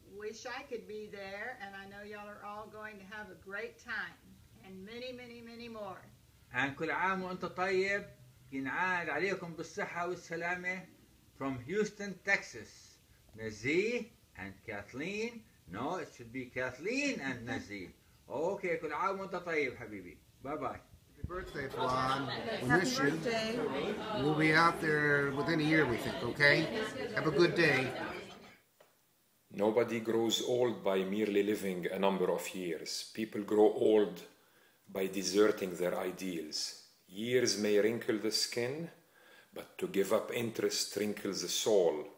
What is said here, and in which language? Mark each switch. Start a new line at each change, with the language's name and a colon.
English: Wish I could be there, and I know y'all are all going to have a great time. And many, many, many more.
Arabic: And كل عام وانت طيب. ينعاد عليكم بالصحة والسلامة.
English: From Houston, Texas. نزيه. And Kathleen? No, it should be Kathleen and Nazir.
Arabic: Okay, كل عام وانت طيب حبيبي.
English: Bye bye. Happy birthday, Fouad. Happy birthday. We'll be out there within a year, we think, okay? Have a good day. Nobody grows old by merely living a number of years. People grow old by deserting their ideals. Years may wrinkle the skin, but to give up interest wrinkles the soul.